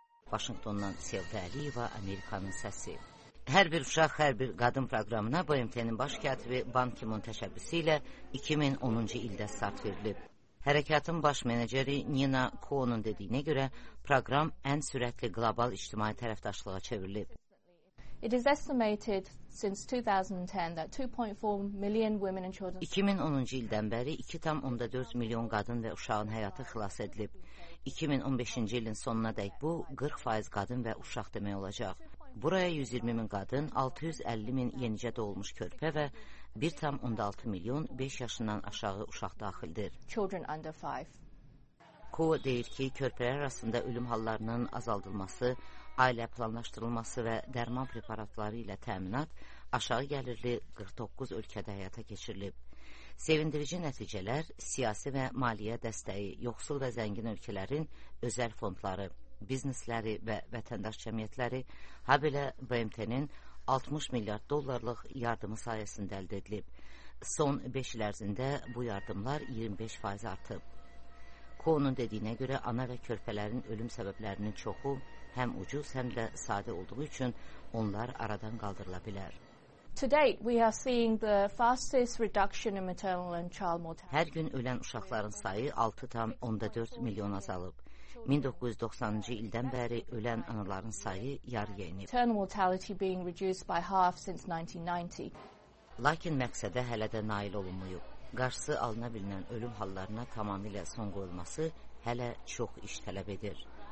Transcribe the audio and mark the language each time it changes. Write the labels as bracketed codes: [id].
[az] Vaşinqtondan Sevda Əliyeva, Amerikanın səsi. Hər bir uşaq, hər bir qadın proqramına BMT-nin baş katibi Ban Ki-moon təşəbbüsü ilə 2010-cu ildə start verilib. Hərəkatın baş menedjeri Nina Kuo-nun dediyinə görə, proqram ən sürətli qlobal ictimai tərəfdaşlığa çevrilib. [en] It is estimated since 2010 that 2.4 million women and children [az] 2010-cu ildən bəri 2.4 milyon qadın və uşağın həyatı xilas edilib. 2015-ci ilin sonuna dək bu 40% qadın və uşaq demək olacaq. Buraya 120 min qadın, 650 min yenicə doğulmuş körpə və 1.6 milyon 5 yaşından aşağı uşaq daxildir. [en] Children under 5. [az] Kuo deyir ki, körpələr arasında ölüm hallarının azaldılması, ailə planlaşdırılması və dərman preparatları ilə təminat aşağı gəlirli 49 ölkədə həyata keçirilib. Sevindirici nəticələr, siyasi və maliyyə dəstəyi, yoxsul və zəngin ölkələrin özəl fondları, biznesləri və vətəndaş cəmiyyətləri, ha belə BMT-nin 60 milyard dollarlıq yardımı sayəsində əldə edilib. Son 5 il ərzində bu yardımlar 25% artıb. Kuo-nun dediyinə görə, ana və körpələrin ölüm səbəblərinin çoxu həm ucuz, həm də sadə olduğu üçün onlar aradan qaldırıla bilər. [en] To date, we are seeing the fastest reduction in maternal and child mortality. [az] Hər gün ölən uşaqların sayı 6.4 milyon azalıb. 1990-cı ildən bəri ölən anaların sayı yarı yenib. [en] Maternal mortality being reduced by half since 1990. [az] Lakin məqsədə hələ də nail olunmuyub. Qarşısı alına bilinən ölüm hallarına tamamilə son qoyulması hələ çox iş tələb edir.